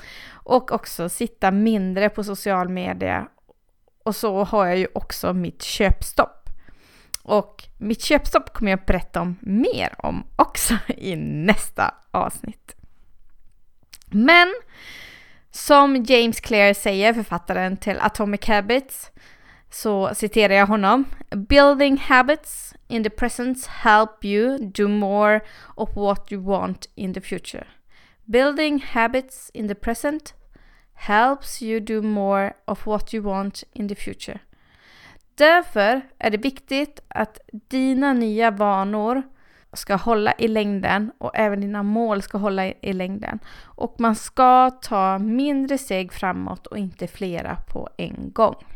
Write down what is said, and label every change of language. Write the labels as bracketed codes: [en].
[sv] Och också sitta mindre på social media. Och så har jag ju också mitt köpstopp. Och mitt köpstopp kommer jag berätta om mer om också i nästa avsnitt. Men som James Clear säger, författaren till Atomic Habits, så citerar jag honom. [en] Building habits in the present help you do more of what you want in the future. Building habits in the present helps you do more of what you want in the future. [sv] Därför är det viktigt att dina nya vanor ska hålla i längden och även dina mål ska hålla i längden. Och man ska ta mindre steg framåt och inte flera på en gång.